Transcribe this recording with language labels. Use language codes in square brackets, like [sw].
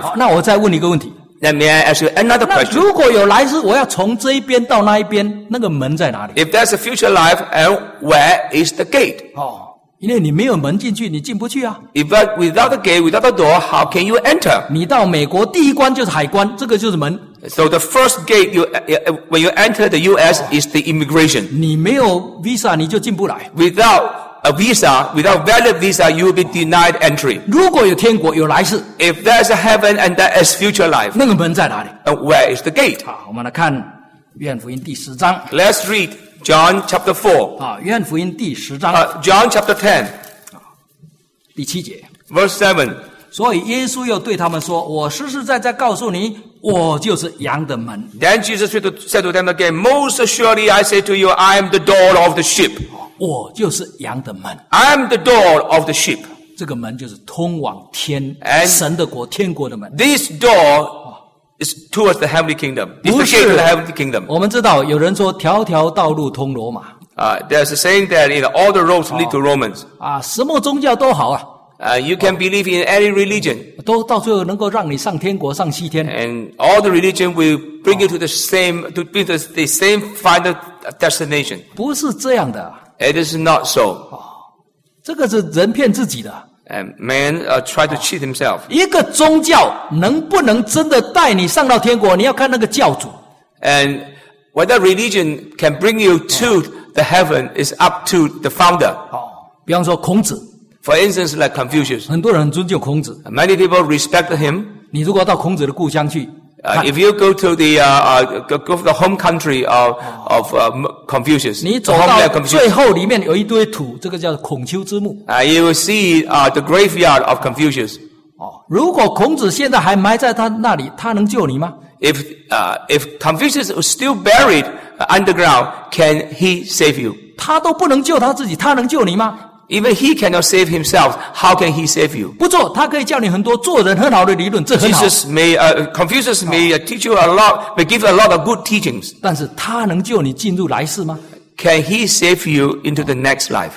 [zh] 好，那我再问你一个问题。 [en] Let me ask you another question. [zh] 那如果有来世，我要从这一边到那一边，那个门在哪里 [en] ？If there's a future life, and where is the gate? [zh] 哦，因为你没有门进去，你进不去啊。 [en] If without the gate, without the door, how can you enter? [zh] 你到美国第一关就是海关，这个就是门。 [en] So the first gate when you enter the U.S. is the immigration. [zh] 你没有 visa, 你就进不来。 [en] Without a visa, without valid visa, you will be denied entry. [zh] 如果有天国，有来世。 [en] If there's a heaven and there is future life. [zh] 那个门在哪里？ [en] And where is the gate? [zh] 好，我们来看约翰福音第十章。 [en] Let's read John chapter 4. [zh] 啊，约翰福音第十章。 [en] John chapter 10. [zh] 第七节。 [en] Verse 7. [zh] 所以耶稣又对他们说，我实实在在告诉你，我就是羊的门。 [en] Then Jesus said to them again, most assuredly I say to you, I am the door of the sheep. [zh] 我就是羊的门。 [en] I am the door of the sheep. [zh] 这个门就是通往天、 [en] And、 [zh] 神的国、天国的门。 [en] This door is towards the heavenly kingdom. It's the gate of the heavenly kingdom. [zh] 我们知道有人说条条道路通罗马。 [en] There's a saying that you know, all the roads lead to Romans. [zh] 啊，什么宗教都好啊。 [en] You can believe in any religion. [zh] 都到最后能够让你上天国、上西天。 [en] And all the religion will bring you to the same final destination. [zh] 不是这样的。 [en] It is not so. [zh] 这个是人骗自己的。 [en] And man try to cheat himself. [zh] 一个宗教能不能真的带你上到天国，你要看那个教主。 [en] And whether religion can bring you to the heaven is up to the founder. [zh] 比方说孔子。 [en] For instance, like Confucius. [zh] 很多人很尊敬孔子。 [en] Many people respect him. [zh] 你如果到孔子的故乡去。 [en] If you go to the home country of Confucius, [zh] 你走到最后里面有一堆土，这个叫孔丘之墓。 [en] You will see the graveyard of Confucius. [zh] 如果孔子现在还埋在他那里，他能救你吗 [en] ？If Confucius was still buried underground, can he save you? [zh] 他都不能救他自己，他能救你吗？ [en] Even he cannot save himself, how can he save you? [zh] 不错，他可以教你很多做人很好的理论，这很好。 [en] Jesus may, Confucius may teach you a lot, may give a lot of good teachings. [zh] 但是他能救你进入来世吗？ [en] Can he save you into the next life?